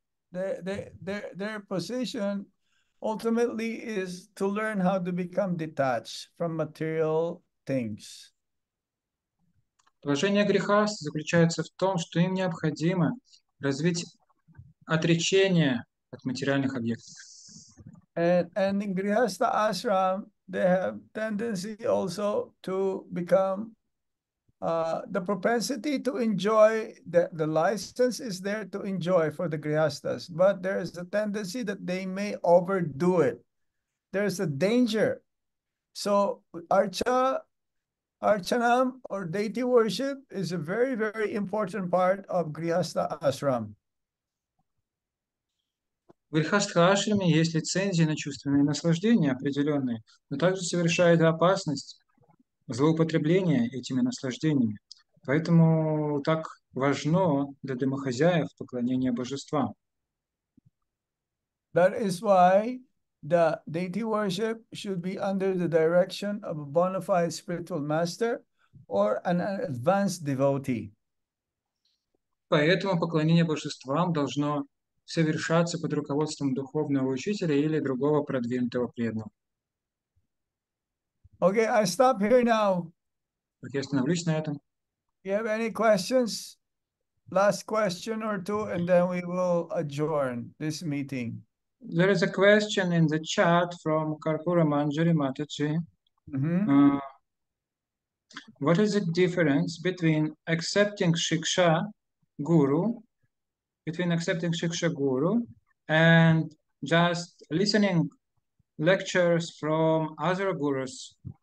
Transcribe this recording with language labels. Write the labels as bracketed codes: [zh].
[en] Their position ultimately is to learn how to become detached from material things. [ru] Положение грехаст заключается в том, что им необходимо развить отречение от материальных объектов. [en] And in grihastha ashram, they have tendency also to become the propensity to enjoy, the license is there to enjoy for the grihasthas, but there is a tendency that they may overdo it. There is a danger. So archanam or deity worship is a very, very important part of grihastha ashram. [ru] В грихастха ашраме есть лицензии на чувственные наслаждения определенные, но также совершает опасность злоупотребление этими наслаждениями. Поэтому так важно для домохозяев поклонение божествам. [en] That is why the deity worship should be under the direction of a bona fide spiritual master or an advanced devotee. [ru] Поэтому поклонение божествам должно совершаться под руководством духовного учителя или другого продвинутого преданного. [en] Okay, I stop here now. [ru] Okay, остановлюсь на этом. [en] You have any questions? Last question or two, and then we will adjourn this meeting. There is a question in the chat from Karpura Manjari Mataji. What is the difference between accepting Shiksha Guru and just listening lectures from other gurus?